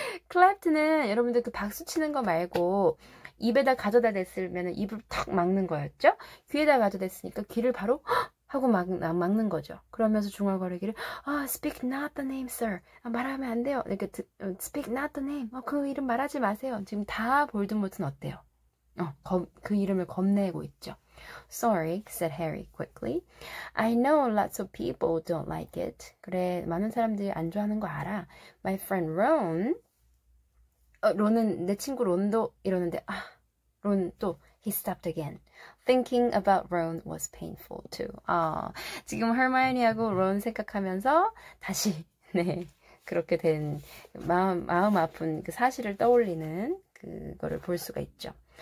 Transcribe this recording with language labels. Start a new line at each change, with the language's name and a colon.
Korean: clapped는 여러분들 그 박수 치는 거 말고 입에다 가져다 댔으면 입을 탁 막는 거였죠? 귀에다 가져다 댔으니까 귀를 바로 하고 막는 거죠. 그러면서 중얼거리기를 아,
English: speak not the name, sir.
Korean: 아, 말하면 안 돼요. 이렇게
English: speak not the name.
Korean: 그 이름 말하지 마세요. 지금 다 볼드모트는 어때요? 그 이름을 겁내고 있죠.
English: Sorry, said Harry quickly. I know lots of people don't like it.
Korean: 그래, 많은 사람들이 안 좋아하는 거 알아.
English: My friend Ron.
Korean: 론은 내 친구 론도 이러는데 아, 론 또.
English: He stopped again. Thinking about Ron was painful too.
Korean: 지금 헤르마이오니하고 론 생각하면서 다시 네 그렇게 된 마음 아픈 그 사실을 떠올리는 그거를 볼 수가 있죠.